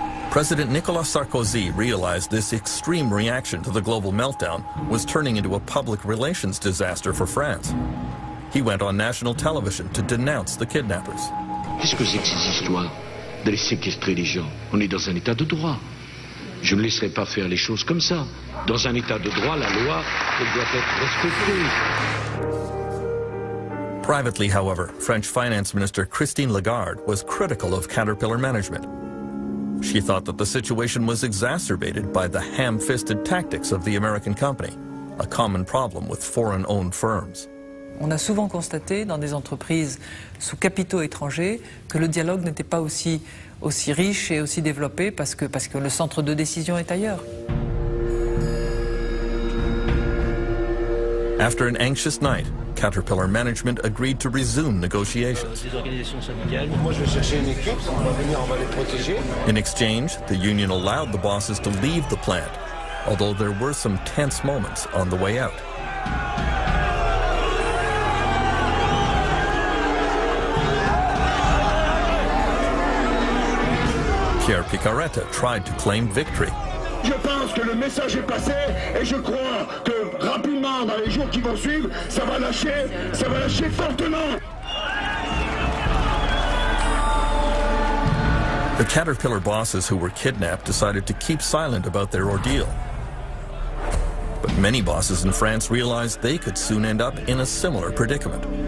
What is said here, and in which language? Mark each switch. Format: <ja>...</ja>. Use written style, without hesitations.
<en>President Nicolas Sarkozy realized this extreme reaction to the global meltdown was turning into a public relations disaster for France. He went on national television to denounce the kidnappers.</en> <fr>Qu'est-ce que c'est que ces histoires? De séquestrer les gens. On est dans un état de droit. Je ne laisserai pas faire les choses comme ça. Dans un état de droit, la loi, elle doit être respectée.</fr> <en>Privately, however, French finance minister Christine Lagarde was critical of Caterpillar management. She thought that the situation was exacerbated by the ham-fisted tactics of the American company, a common problem with foreign-owned firms.</en> <fr>On a souvent constaté dans des entreprises sous capitaux étrangers que le dialogue n'était pas aussi riche et aussi développé parce que le centre de décision est ailleurs.</fr> <en>After an anxious night, Caterpillar management agreed to resume negotiations.</en> <fr>Moi, je vais chercher une équipe, on va venir, on va les protéger.</fr> <en>In exchange, the union allowed the bosses to leave the plant, although there were some tense moments on the way out. Pierre Picaretta tried to claim victory.</en> <fr>Je pense que le message est passé et je crois que rapidement dans les jours qui vont suivre, ça va lâcher fortement.</fr> <en>The Caterpillar bosses who were kidnapped decided to keep silent about their ordeal. But many bosses in France realized they could soon end up in a similar predicament.</en>